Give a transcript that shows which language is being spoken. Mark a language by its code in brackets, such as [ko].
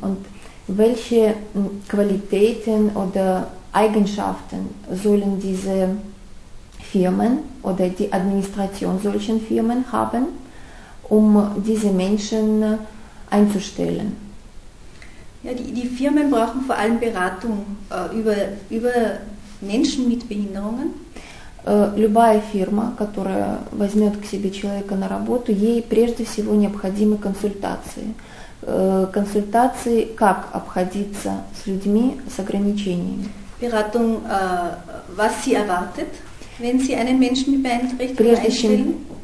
[de] Und welche Qualitäten oder Eigenschaften sollen diese Firmen oder die Administration solchen Firmen haben? Diese Menschen einzustellen. Ja, die Firmen brauchen vor allem Beratung über Menschen mit Behinderungen. [ru] Любая фирма, которая возьмет к себе человека на работу, ей прежде всего необходимы консультации. Консультации, как обходиться с людьми с ограничениями. [de] Beratung, was sie erwartet, wenn sie einen Menschen mit Beeinträchtigung einstellen.